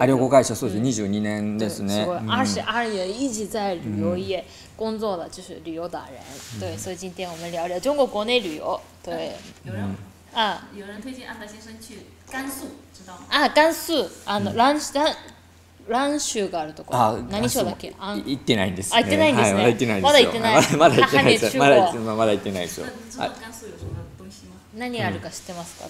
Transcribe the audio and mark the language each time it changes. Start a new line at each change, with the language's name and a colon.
Japanese: あ、旅行会社、そうです、22年ですね。
Chinese: すごい、22年一直在旅游业工作的、就是旅游达人。对、所以今天我们聊聊中国国内旅游。对。有人推荐安达先生去甘肃，知道吗？
Japanese: 啊，甘肃，あの、蘭州があるところ。あ、何州だっけ？あ、行ってないんです。あ、行ってないんですね。まだ行ってないんですよ。まだ行ってないですよ。まだ行ってないですよ。
Chinese: 甘肃有什么东西吗？
Japanese: 何あるか知ってますか？